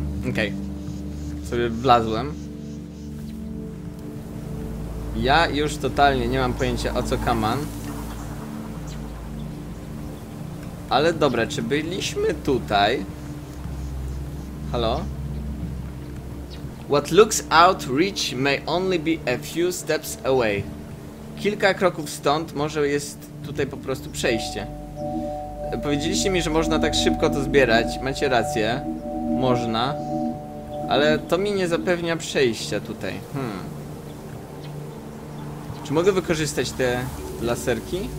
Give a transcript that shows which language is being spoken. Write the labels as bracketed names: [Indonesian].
[Polish] Okej. Sobie wlazłem. Ja już totalnie nie mam pojęcia o co kaman. Ale dobra, czy byliśmy tutaj? Halo? [English] What looks out reach may only be a few steps away. [Polish] Kilka kroków stąd, może jest tutaj po prostu przejście. Powiedzieliście mi, że można tak szybko to zbierać. Macie rację. Można. Ale to mi nie zapewnia przejścia tutaj. Czy mogę wykorzystać te laserki?